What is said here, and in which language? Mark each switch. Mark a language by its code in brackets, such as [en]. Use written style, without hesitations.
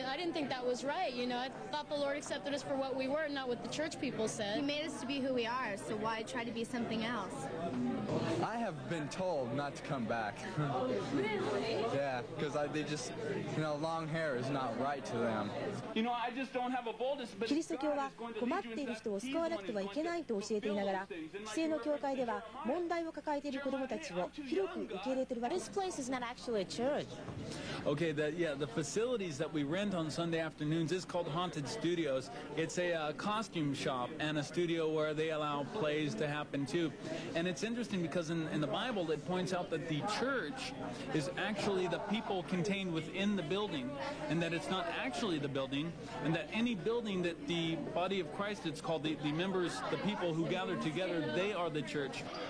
[en] I didn't think that was right, you know. I thought the Lord accepted us for what we were, not what the church people said. He made us to be who we are, so why try to be something else? I have been told not to come back. Yeah, because they just, you know, long hair is not right to them. You know, I just don't have a boldness, but [ja] キリスト教は困っている人を救わなくてはいけないと教えていながら、既成の教会では問題を抱えている子どもたちを広く受け入れているわけです。 [en] This place is not actually a church. Okay, the facilities that we rent on Sunday afternoons is called Haunted Studios. It's a costume shop and a studio where they allow plays to happen too. And it's interesting because in the Bible it points out that the church is actually the people contained within the building, and that it's not actually the building, and that any building that the body of Christ, it's called the members, the people who gather together, they are the church.